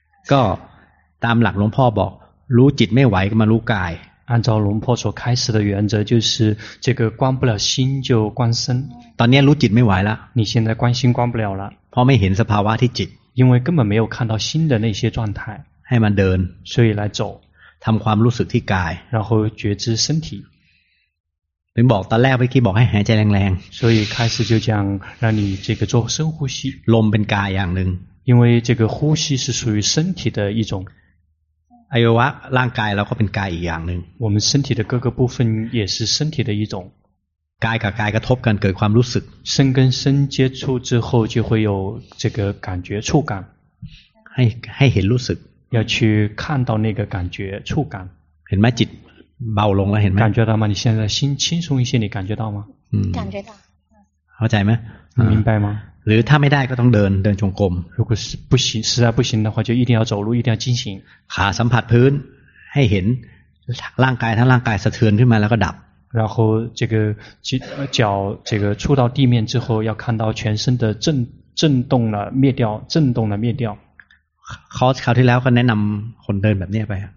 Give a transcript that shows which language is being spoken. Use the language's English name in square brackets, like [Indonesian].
[Thai] ก็ตามหลักหลวงพ่อบอกรู้จิตไม่ไหวก็มารู้กาย [Chinese] 按照龙婆所开始的原则就是这个观不了心就观身 [Thai] ตอนนี้รู้จิตไม่ไหวแล้ว [Chinese] 你现在观心观不了了 [Thai] เพราะไม่เห็นสภาวะที่จิต [Chinese] 因为根本没有看到心的那些状态 [Thai] ให้มันเดิน [Chinese] 所以来走 [Thai] ทำความรู้สึกที่กาย [Chinese] 然后觉知身体你 [Thai] บอกตอนแรกเมื่อกี้บอกให้หายใจแรง [Chinese] ๆ所以开始就讲让你这个做深呼吸 [Thai] ลมเป็นกายอย่างนึง [Chinese] 因为这个呼吸是属于身体的一种 [Thai] อายวะร่างกายเราก็เป็นกายอีกอย่างนึง [Chinese] 我们身体的各个部分也是身体的一种 [Thai] กายกับกายกระทบกันเกิดความรู้สึก [Chinese] 身跟身接触之后就会有这个感觉触感 [Thai] ให้เห็นรู้สึก [Chinese] 要去看到那个感觉触感 [Thai] เห็นไหมจิตเบาลงแล้วเห็นไหม [Chinese] 感觉到吗你现在心轻松一些你感觉到吗感觉到 [Thai] เข้าใจไหม [Chinese] 明白吗 [Thai] หรือถ้าไม่ได้ก็ต้องเดินจงกรม [Chinese] 如果是不行实在不行的话就一定要走路一定要进行 [Thai] ขาสัมผัสพื้นให้เห็นร่างกายทั้งร่างกายสะเทือนขึ้นมาแล้วก็ดับ [Chinese] 然后这个脚这个触到地面之后要看到全身的震动了灭掉震动了灭掉 [Thai] คราวที่แล้วก็แนะนำคนเดินแบบนี้ไป